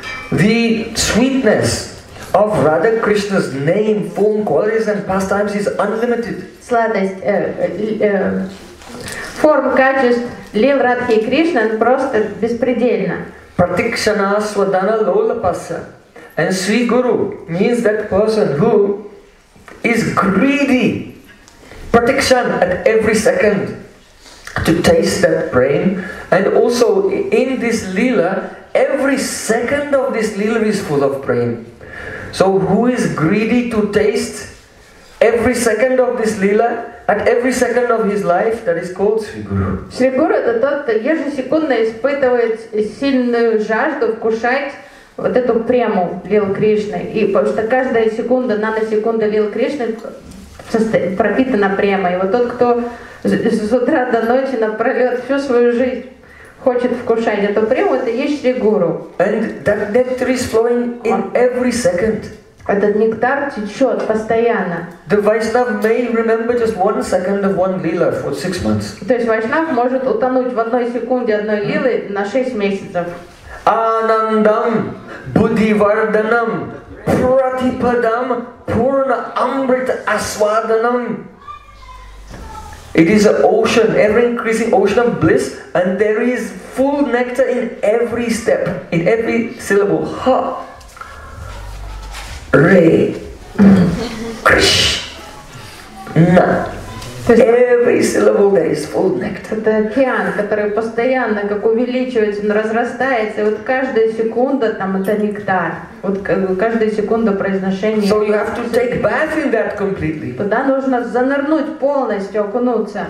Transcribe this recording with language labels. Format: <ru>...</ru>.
<en>The sweetness of Radha Krishna's name, form, qualities and pastimes is unlimited.</en> <ru>Форм, качеств лил Радхи и Кришна просто беспредельно.</ru> <sa>Pratikshana Swadana Lolapasa.</sa> <en>And Sri Guru means that person who is greedy. Pratikshan at every second to taste that Prem. And also in this Leela, every second of this Leela is full of Prem. So who is greedy to taste every second of this Leela? At every second of his life, that is called Sri Guru.</en> <ru>Sri Guru – это тот, кто ежесекундно испытывает сильную жажду вкушать вот эту прему Лил Кришны. И потому что каждая секунда, наносекунда Лил Кришны пропитана премой. И вот тот, кто с утра до ночи напролет всю свою жизнь хочет вкушать эту прему, это и есть Sri Guru.</ru> <en>And that nectar is flowing in every second.</en> <ru>Этот нектар течет постоянно.</ru> <en>The Vaishnav may remember just one second of one lila for 6 months.</en> <ru>То есть Вайшнав может утонуть в одной секунде одной лилы на 6 месяцев.</ru> <sa>Анандам Будиварданам Пратипадам Пурна Амрит Асваданам.</sa> <en>It is an ocean, ever increasing ocean of bliss, and there is full nectar in every step, in every syllable. Ha. Re, Krish, Na. Every syllable there is full nectar.</en> <ru>Это океан, который постоянно как увеличивается, он разрастается. И вот каждая секунда там это нектар. Вот каждая секунда произношения.</ru> <en>So you have to take bath in that completely.</en> <ru>Туда нужно занырнуть полностью, окунуться.</ru>